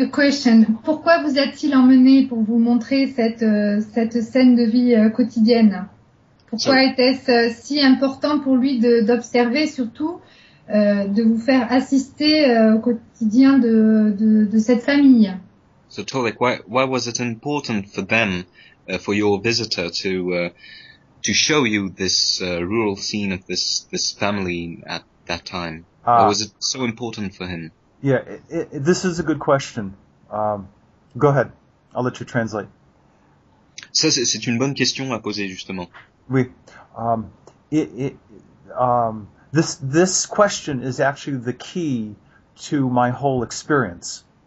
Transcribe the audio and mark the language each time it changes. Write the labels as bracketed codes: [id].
[en] a question. [fr] Pourquoi vous a-t-il emmené pour vous montrer cette scène de vie quotidienne? Pourquoi était-ce si important pour lui d'observer, surtout de vous faire assister au quotidien de cette famille? [en] So Tolik, why was it important for them, for your visitor to show you this rural scene of this family at that time? Why was it so important for him? Yeah, this is a good question. Go ahead. I'll let you translate. [fr] Ça, c'est une bonne question à poser, justement. Oui. [en] This question is actually the key to my whole experience.